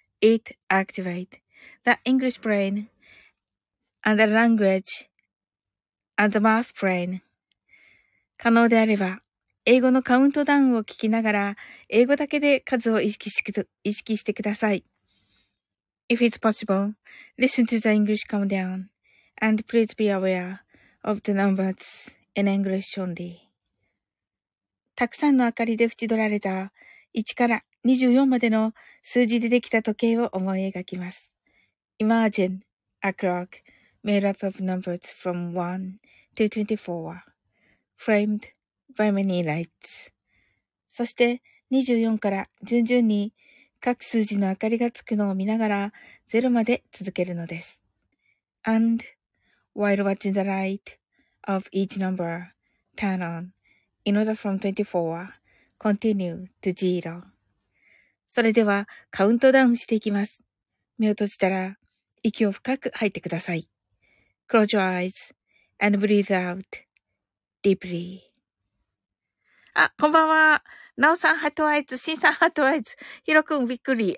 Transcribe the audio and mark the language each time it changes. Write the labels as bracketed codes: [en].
[en] It activate the English brain and the language. And the math brain. [ja] 可能であれば、英語のカウントダウンを聞きながら、英語だけで数を意識してください。 [en] If it's possible, listen to the English countdown, and please be aware of the numbers in English only. [ja] たくさんの明かりで縁取られた1から24までの数字でできた時計を思い描きます。 [en] Imagine a clock. Made up of numbers from 1 to 24, framed by many lights. [ja] そして24から順々に各数字の明かりがつくのを見ながら0まで続けるのです。 [en] And while watching the light of each number turn on, in order from 24, continue to 0. [ja] それではカウントダウンしていきます。目を閉じたら息を深く吐いてください。 [en] Close your eyes and breathe out deeply. [ja] あ、こんばんは。なおさん、ハートアイズ。しんさん、ハートアイズ。ひろくん、びっくり。